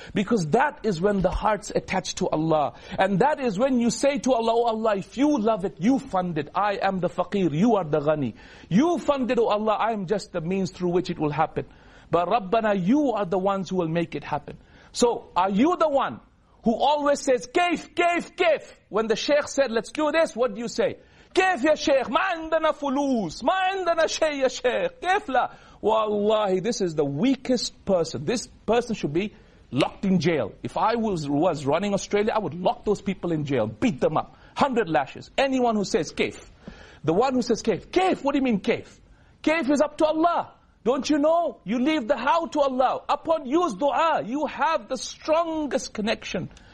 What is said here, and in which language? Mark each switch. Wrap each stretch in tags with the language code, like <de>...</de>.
<en>Because that is when the heart's attached to Allah. And that is when you say to Allah, O Allah, if you love it, you fund it. I am the faqir, you are the ghani. You fund it, O Allah, I am just the means through which it will happen. But Rabbana, you are the ones who will make it happen. So, are you the one who always says, kaif, kaif, kaif? When the sheikh said, let's do this, what do you say?</en> <ar>كيف يا شيخ ما عندنا فلوس ما عندنا شيء يا شيخ كيف لا Wallahi,</ar> <en>this is the weakest person. This person should be locked in jail. If I was running Australia, I would lock those people in jail, beat them up, 100 lashes. Anyone who says كيف, the one who says كيف, كيف, what do you mean كيف? كيف is up to Allah. Don't you know? You leave the how to Allah. Upon use du'a, you have the strongest connection.</en>